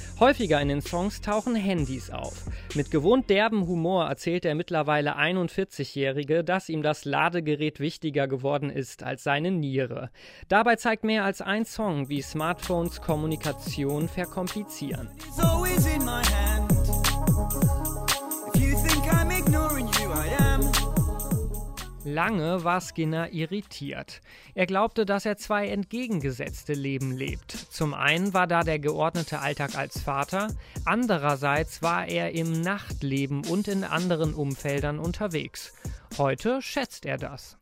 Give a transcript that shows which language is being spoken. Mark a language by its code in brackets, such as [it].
[de] Häufiger in den Songs tauchen Handys auf. Mit gewohnt derbem Humor erzählt der mittlerweile 41-Jährige, dass ihm das Ladegerät wichtiger geworden ist als seine Niere. Dabei zeigt mehr als ein Song, wie Smartphones Kommunikation verkomplizieren. [en] It's always in my hand. If you think I'm ignoring you, I am. [de] Lange war Skinner irritiert. Er glaubte, dass er zwei entgegengesetzte Leben lebt. Zum einen war da der geordnete Alltag als Vater, andererseits war er im Nachtleben und in anderen Umfeldern unterwegs. Heute schätzt er das.